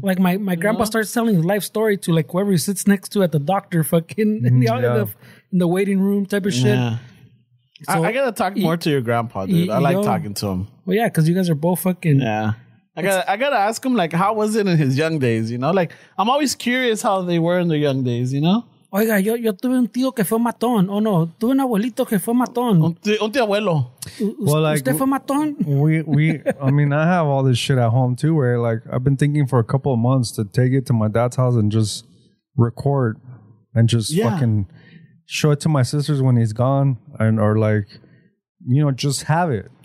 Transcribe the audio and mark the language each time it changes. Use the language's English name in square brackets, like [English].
[English] Like my grandpa know? Starts telling his life story to like whoever he sits next to at the doctor fucking in the waiting room type of shit. Yeah. So, I gotta talk more to your grandpa, dude. I like talking to him. Well, yeah, because you guys are both fucking. Yeah. I gotta ask him, like, how was it in his young days, you know? Like, I'm always curious how they were in their young days, you know? [Spanish] Oiga, yo tuve un tío que fue matón. Oh, no. Tuve un abuelito que fue matón. Un tío abuelo. [English] Well, like, [Spanish] usted fue matón? [English] We I mean, I have all this shit at home, too, where, like, I've been thinking for a couple of months to take it to my dad's house and just record and just fucking show it to my sisters when he's gone and or, like, you know, just have it.